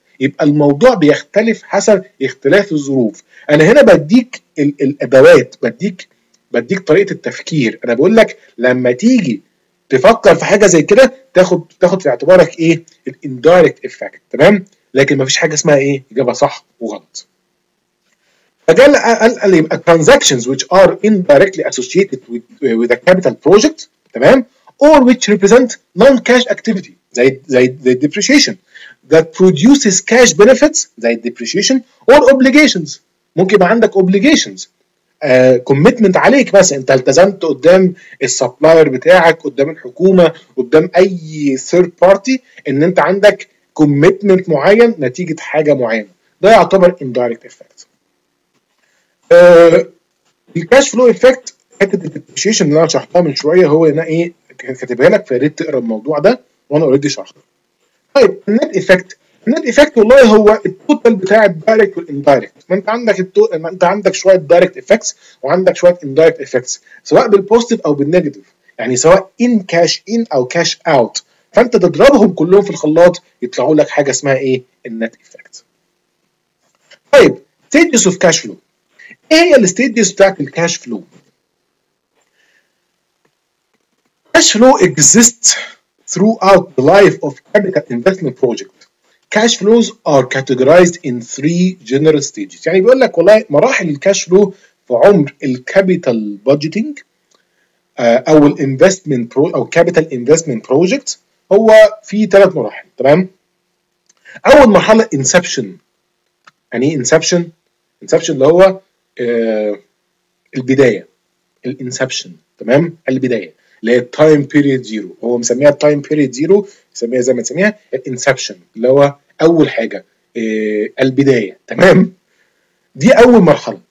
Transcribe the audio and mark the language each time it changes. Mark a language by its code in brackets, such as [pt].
[ar] يبقى الموضوع بيختلف حسب اختلاف الظروف. انا هنا بديك الادوات، بديك طريقة التفكير. انا بقول لك لما تيجي تفكر في حاجة زي كده تاخد في اعتبارك ايه؟ الـ indirect effect، تمام؟ لكن مفيش حاجة اسمها ايه؟ إجابة صح وغلط. فقال قال يبقى [en] transactions which are indirectly associated with a capital project، [ar] تمام؟ [en] or which represent non-cash activity زي the depreciation that produces cash benefits زي depreciation or obligations. [ar] ممكن يبقى عندك obligations، كوميتمنت عليك، بس انت التزمت قدام السبلاير بتاعك، قدام الحكومه، قدام اي ثيرد بارتي، ان انت عندك كوميتمنت معين نتيجه حاجه معينه. ده يعتبر اندايركت افكت. الكاش فلو افكت، حته الديبريشيشن اللي انا شرحتها من شويه، هو هنا ايه كاتبها لك، فياريت تقرا الموضوع ده وانا اوريدي شرحته. طيب النت افكت، النت افكت والله هو التوتال بتاع الدايركت والاندايركت. ما انت عندك ما انت عندك شويه دايركت افكتس وعندك شويه اندايركت افكتس، سواء بالبوزيتيف او بالنيجاتيف، يعني سواء ان كاش ان او كاش اوت، فانت تضربهم كلهم في الخلاط يطلعوا لك حاجه اسمها ايه؟ النت افكت. [en] طيب stages of cash flow, [ar] ايه هي [en] الستيجز [ar] بتاعت [en] الكاش flow? Cash flow exist throughout the life of capital investment project. Cash flows are categorized in three general stages. [ar] يعني بيقول لك والله مراحل الكاش فلو في عمر الكابيتال بادجيتنج او الانفستمنت او كابيتال انفستمنت بروجكت، هو في ثلاث مراحل، تمام؟ اول مرحله انسبشن. يعني ايه انسبشن؟ انسبشن اللي هو البدايه، الانسبشن، تمام؟ البدايه اللي هي التايم بيريد زيرو، هو مسميها التايم بيريد زيرو، سميها زي ما تسميها، الانسبشن اللي هو اول حاجه، البدايه، تمام؟ دي اول مرحله.